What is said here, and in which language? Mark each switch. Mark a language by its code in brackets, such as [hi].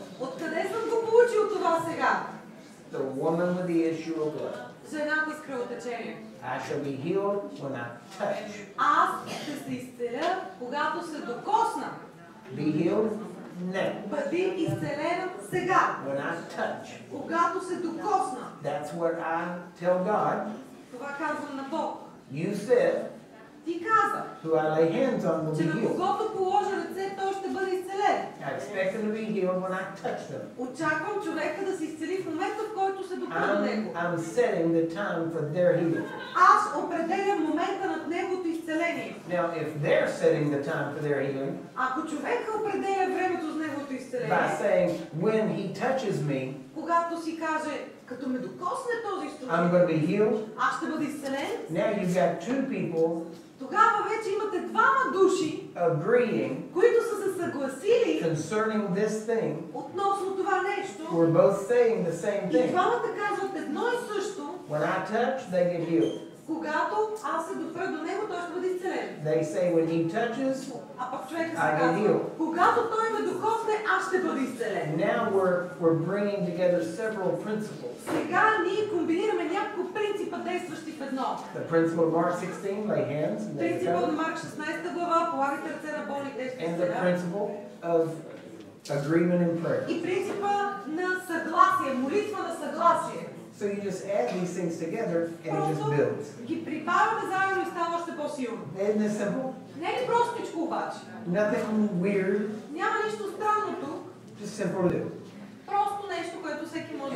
[bg] Откъде съм го получил това сега? [en] The woman with the issue of blood. [bg] Жената с кръвотечение. [en] I shall be healed when I touch. [bg] Аз ще се изцеля, когато се докосна. [en] Be healed now. [bg] Бъди изцелена сега. [en] When I touch. [bg] Когато се докосна. [en] That's what I tell God. [bg] Това казвам на Бог. [en] You said. [bg] Ти каза. [en] Who I lay hands on will be healed. [bg] Че на когото положа ръце, той ще бъде изцелен. [en] I expect him to be healed when I touch them. [bg] Очаквам човека да се изцели в момента, в който се докосна него. [en] I'm setting the time for their healing. [bg] Аз определям момента на неговото изцеление. [en] Now if they're setting the time for their healing. [bg] Ако човека определя времето за неговото изцеление. [en] By saying when he touches me. [bg] Когато си каже, като ме докосне този [en] струк, I'm going to be healed. [bg] Аз ще бъда изцелен. [en] Now you've got two people. [bg] Тогава вече имате двама души, [en] agreeing, [bg] които са се съгласили [en] concerning this thing, [bg] относно това нещо. [en] We're both saying the same thing. [bg] И двамата казват едно и също. [en] When I touch, they get healed. [bg] Когато аз се допра до него, той ще бъде изцелен. [en] They say when he touches, [bg] а пък човека се казва, когато той ме докосне, аз ще бъде изцелен. [en] Now we're bringing together several principles. [bg] Сега ние комбинираме няколко принципа, действащи в едно. [en] The principle of Mark 16, lay hands. [bg] Принципът на Марк 16 глава, полагайте ръце на болни, действащи в едно. [en] And the principle of agreement in prayer. [bg] И принципа на съгласие, молитва на съгласие. [en] So you just add these things together and it just builds. [bg] Ги прибавяме заедно и става още по-силно. [en] Isn't it simple? [bg] Не е простичко обаче. [en] Nothing weird. [bg] Няма нищо странно тук. [en] Just simple to do. [bg] Просто нещо, което всеки може